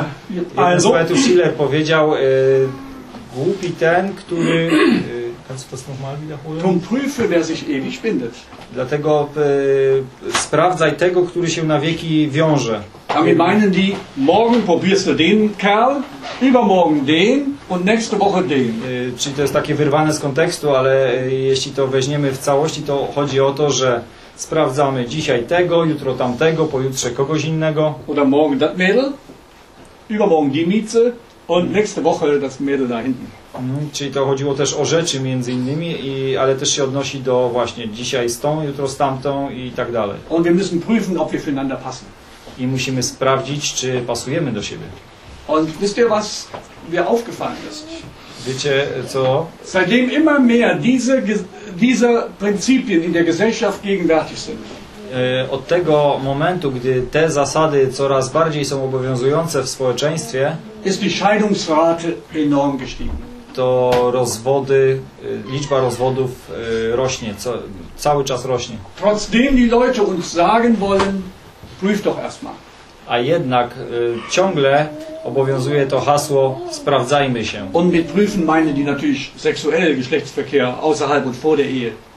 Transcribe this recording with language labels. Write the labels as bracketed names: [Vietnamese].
[Polish] Jeden z poetów Schiller powiedział... Głupi ten, który... [German] kannst du das nochmal wiederholen? Drum prüfe, wer sich ewig bindet. [Polish] Dlatego sprawdzaj tego, który się na wieki wiąże. [German] A my meinen die, morgen probierst du den Kerl, übermorgen den und nächste Woche den. [Polish] Czyli to jest takie wyrwane z kontekstu, ale jeśli to weźmiemy w całości, to chodzi o to, że sprawdzamy dzisiaj tego, jutro tamtego, pojutrze kogoś innego. [German] Oder morgen das Mädel, übermorgen die Mietze. Und nächste Woche das Mädel da hinten. [Polish] Czyli to chodziło też o rzeczy między innymi, ale też się odnosi do właśnie dzisiaj z tą, jutro z tamtą i tak dalej. [German] Und wir müssen prüfen, ob wir füreinander passen. [Polish] I musimy sprawdzić, czy pasujemy do siebie. [German] Und wisst ihr, was mir aufgefallen ist? [Polish] Wiecie co? [German] Seitdem immer mehr diese Prinzipien in der Gesellschaft gegenwärtig sind. [Polish] od tego momentu, gdy te zasady coraz bardziej są obowiązujące w społeczeństwie, [German] ist die Scheidungsrate enorm gestiegen. [Polish] To rozwody, liczba rozwodów rośnie, cały czas rośnie. [German] Trotzdem die Leute uns sagen wollen, prüf doch erstmal. [Polish] A jednak ciągle obowiązuje to hasło sprawdzajmy się. [German] Und mit prüfen meine die natürlich sexuelle Geschlechtsverkehr außerhalb und vor der Ehe.